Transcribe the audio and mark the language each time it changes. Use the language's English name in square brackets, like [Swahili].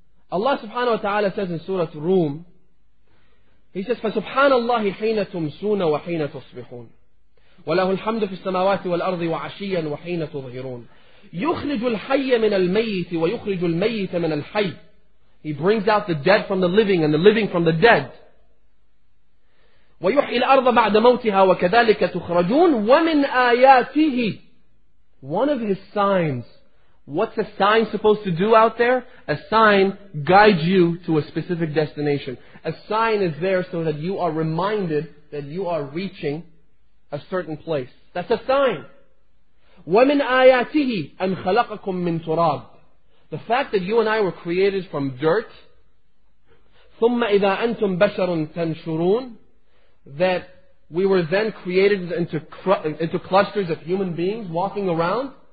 [English] Allah subhanahu wa ta'ala says in Surah Rum, He says, [Arabic] فَسُبْحَانَ اللَّهِ حِينَ تُمْسُونَ وَحِينَ تُصْبِحُونَ وَلَهُ الْحَمْدُ فِي السَّمَاوَاتِ وَالْأَرْضِ وَعَشِيًّا وَحِينَ تُظْهِرُونَ يُخْرِجُ الْحَيَّ مِنَ الْمَيِّتِ وَيُخْرِجُ الْمَيِّتَ مِنَ الْحَيِّ [English] He brings out the dead from the living and the living from the dead. [Arabic] وَيُحْيِي الْأَرْضَ بَعْدَ مَوْتِهَا وَكَذَلِكَ تُخْرَجُونَ وَمِنْ آيَاتِهِ [English] One of his signs. What's a sign supposed to do out there? A sign guides you to a specific destination. A sign is there so that you are reminded that you are reaching a certain place. That's a sign. [Arabic] وَمِنْ آيَاتِهِ أَنْ خَلَقَكُمْ مِنْ تُرَابٍ [English] The fact that you and I were created from dirt, [Arabic] ثُمَّ إِذَا أَنْتُمْ بَشَرٌ تَنْشُرُونَ [English] That we were then created into clusters of human beings walking around.